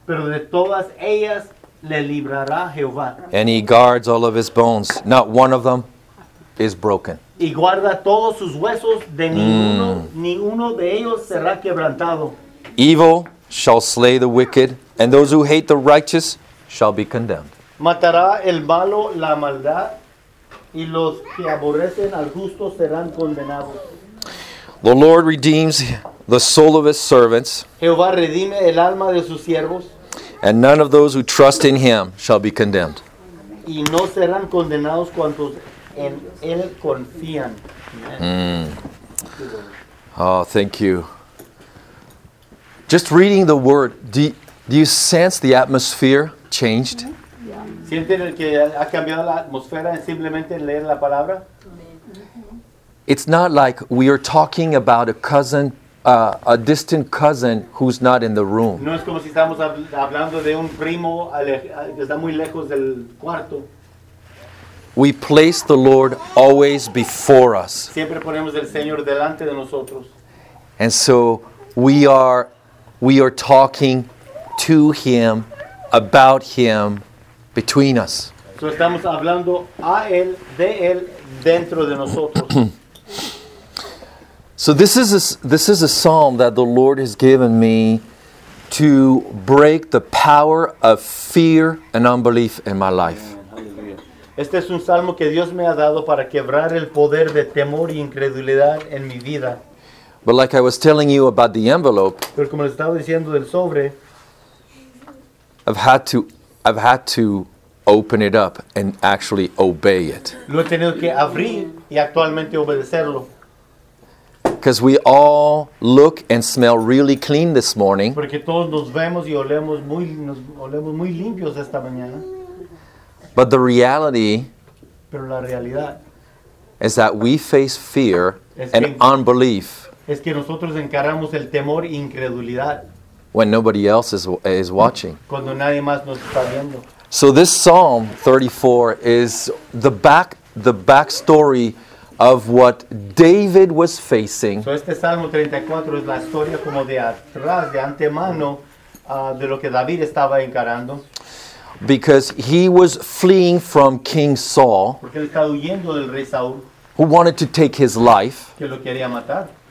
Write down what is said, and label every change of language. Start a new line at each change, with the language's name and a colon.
Spanish: Pero de todas ellas le librará Jehová.
English: And he guards all of his bones. Not one of them is broken.
Spanish: Y guarda todos sus huesos. De ninguno de ellos será quebrantado.
English: Evil shall slay the wicked, and those who hate the righteous shall be condemned.
Spanish: Matará el malo la maldad, y los que aborrecen al justo serán condenados.
English: The Lord redeems the soul of his servants.
Spanish: Jehová redime el alma de sus siervos.
English: And none of those who trust in him shall be condemned.
Spanish: Y no serán condenados cuantos en él confían.
English: Oh, thank you. Just reading the word, do you sense the atmosphere changed?
Spanish: ¿Sienten que ha cambiado la atmósfera simplemente en leer la palabra?
English: It's not like we are talking about a cousin, a distant cousin who's not in the room.
Spanish: No es como si estamos hablando de un primo que está muy lejos del cuarto.
English: We place the Lord always before us.
Spanish: Siempre ponemos el Señor delante de nosotros.
English: And so we are talking to him, about him, between us.
Spanish: So estamos hablando a él, de él, dentro de nosotros.
English: So this is a psalm that the Lord has given me to break the power of fear and unbelief in my life.
Spanish: Este es un salmo que Dios me ha dado para quebrar el poder de temor y incredulidad en mi vida.
English: But like I was telling you about the envelope,
Spanish: pero como les estaba diciendo del sobre,
English: I've had to open it up and actually obey it.
Spanish: Lo he tenido que abrir y actualmente obedecerlo.
English: Because we all look and smell really clean this morning.
Spanish: Porque todos nos vemos y olemos muy limpios esta mañana.
English: But the reality,
Spanish: pero la realidad,
English: is that we face fear and unbelief.
Spanish: Es que nosotros encaramos el temor e incredulidad.
English: When nobody else is watching.
Spanish: Cuando nadie más nos está viendo.
English: So this Psalm 34 is the back story of what David was facing.
Spanish: So este Salmo 34 es la historia como de atrás, de antemano, de lo que David estaba encarando.
English: Because he was fleeing from King Saul.
Spanish: Porque él estaba huyendo del rey Saúl.
English: Who wanted to take his life.
Spanish: Que lo quería matar.